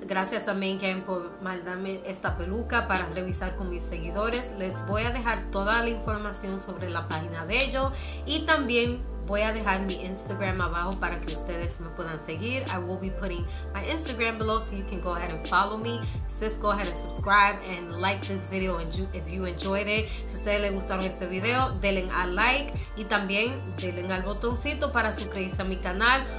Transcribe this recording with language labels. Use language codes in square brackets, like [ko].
[es] Gracias a Main Gang por mandarme esta peluca para revisar con mis seguidores. Les voy a dejar toda la información sobre la página de ellos y también voy a dejar mi Instagram abajo para que ustedes me puedan seguir. [en] I will be putting my Instagram below so you can go ahead and follow me. Sis, go ahead and subscribe and like this video if you enjoyed it. [es] Si a ustedes les gustaron este video, denle a like y también denle al botoncito para suscribirse a mi canal.